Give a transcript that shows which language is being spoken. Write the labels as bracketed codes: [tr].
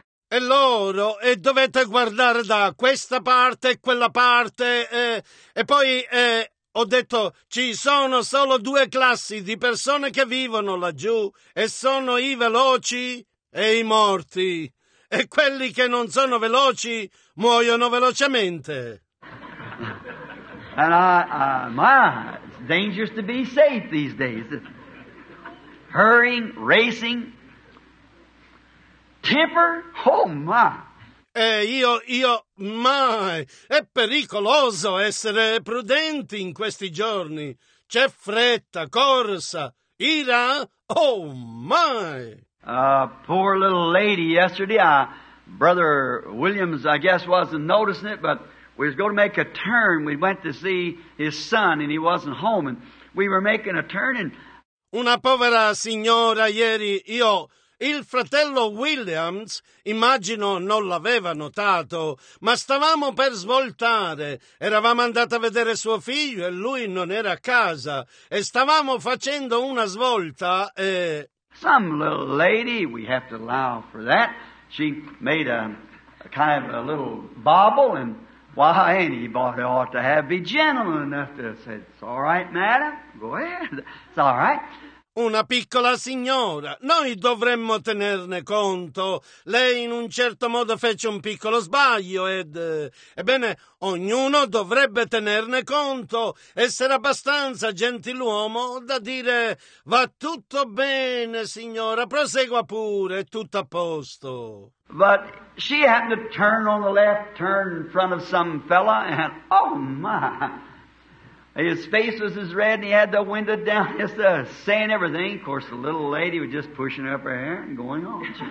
[it] E loro, e dovete guardare da questa parte e quella parte, e poi ho detto, ci sono solo due classi di persone che vivono laggiù, e sono i veloci e i morti, e quelli che non sono veloci muoiono velocemente. [en] And my, it's dangerous to be safe these days. Hurrying, racing, temper, oh my. [it] E io, my, è pericoloso essere prudenti in questi giorni. C'è fretta, corsa, ira, [en] oh my. Poor little lady yesterday, Brother Williams, I guess, wasn't noticing it, but we was going to make a turn. We went to see his son, and he wasn't home, and we were making a turn, and... [it] Una povera signora ieri, io, il fratello Williams, immagino non l'aveva notato, ma stavamo per svoltare. Eravamo andati a vedere suo figlio, e lui non era a casa, e stavamo facendo una svolta, e... [en] Some little lady, we have to allow for that. She made a kind of a little bobble, and why anybody ought to have be gentleman enough to say, it's all right, madam, go ahead, it's all right. [it] Una piccola signora. Noi dovremmo tenerne conto. Lei in un certo modo fece un piccolo sbaglio ed... Ebbene, ognuno dovrebbe tenerne conto. Essere abbastanza gentiluomo da dire... Va tutto bene, signora. Prosegua pure. È tutto a posto. [en] But she happened to turn on the left, turn in front of some fella, and oh my... His face was as red, and he had the window down, just saying everything. Of course, the little lady was just pushing up her hair and going on.